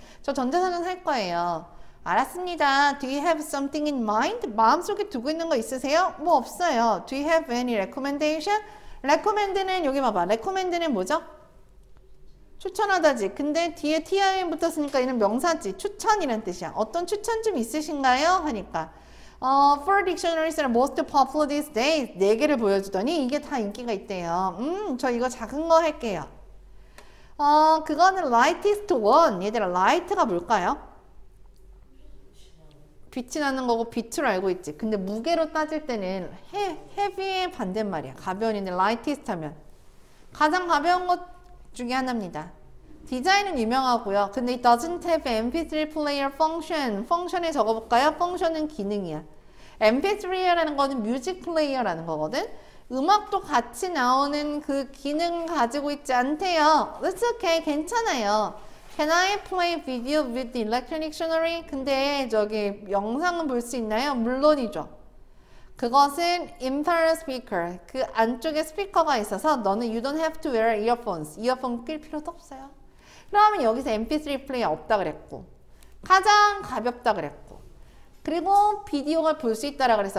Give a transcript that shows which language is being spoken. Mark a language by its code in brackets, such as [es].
[ko] 저 전자사전 살 거예요. 알았습니다. [en] Do you have something in mind? [ko] 마음속에 두고 있는 거 있으세요? 뭐 없어요. [en] Do you have any recommendation? Recommend는 [ko] 여기 봐봐. Recommend는 뭐죠? 추천하다지. 근데 뒤에 TIM 붙었으니까 얘는 명사지. 추천이란 뜻이야. 어떤 추천 좀 있으신가요? 하니까 [en] For dictionaries are most popular these days. [ko] 네 개를 보여주더니 이게 다 인기가 있대요. 저 이거 작은 거 할게요. 그거는 [en] lightest one. [ko] 얘들아, light가 뭘까요? 빛이 나는 거고 빛으로 알고 있지. 근데 무게로 따질 때는 heavy의 반대말이야. 가벼운인데 lightest 하면 가장 가벼운 것 중에 하나입니다. 디자인은 유명하고요. 근데 [en] it doesn't have mp3 player function. [ko] function에 적어볼까요? function은 기능이야. mp3라는 거는 music player라는 거거든. 음악도 같이 나오는 그 기능 가지고 있지 않대요. [en] it's okay. [ko] 괜찮아요. [en] Can I play video with the electronic dictionary? [ko] 근데 저기 영상은 볼 수 있나요? 물론이죠. 그것은 [en] internal speaker. [ko] 그 안쪽에 스피커가 있어서 너는 [en] you don't have to wear earphones. [ko] 이어폰 낄 필요도 없어요. 그러면 여기서 mp3 플레이어 없다 그랬고 가장 가볍다 그랬고 그리고 비디오가 볼 수 있다라 그랬어.